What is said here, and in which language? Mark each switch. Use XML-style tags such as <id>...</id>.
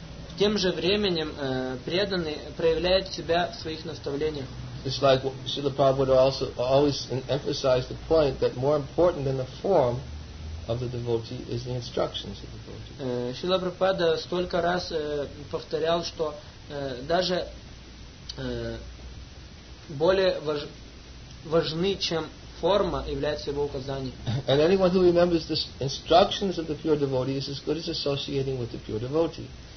<ru>В тем же временем преданный проявляет себя в своих наставлениях.</ru> <en>It's like Srila Prabhupada also always emphasized the point that more important than the form of the devotee is the instructions of the devotee.</en> <ru>Srila Prabhupada столько раз повторял, что даже более важны, чем форма, является его указанием.</ru> <en>And anyone who remembers the instructions of the pure devotee is as good as associating with the pure devotee.</en>